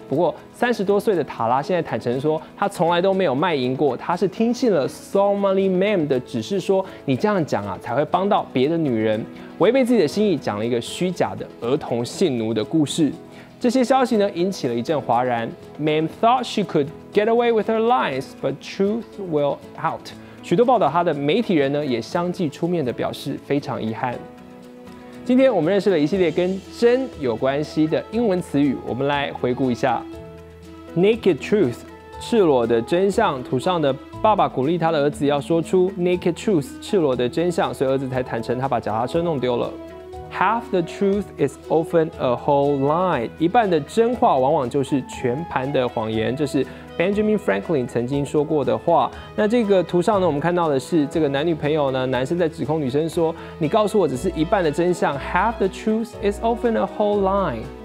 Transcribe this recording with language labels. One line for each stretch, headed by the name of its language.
Chinese: 不过30多岁的塔拉现在坦诚说，她从来都没有卖淫过，她是听信了 Somali Mam 的指示说，你这样讲啊，才会帮到别的女人。违背自己的心意，讲了一个虚假的儿童性奴的故事。这些消息呢，引起了一阵哗然。
English: Mam thought she could get away with her lies, but truth will out。
Chinese: 许多报道她的媒体人呢，也相继出面的表示非常遗憾。今天我们认识了一系列跟真有关系的英文词语，我们来回顾一下 ：naked truth， 赤裸的真相。图上的爸爸鼓励他的儿子要说出 naked truth， 赤裸的真相，所以儿子才坦诚他把脚踏车弄丢了。
English: Half the truth is often a whole lie，
Chinese: 一半的真话往往就是全盘的谎言，这是 Benjamin Franklin 曾经说过的话。那这个图上呢，我们看到的是这个男女朋友呢，男生在指控女生说，你告诉我只是一半的真相。
English: Half the truth is often a whole lie。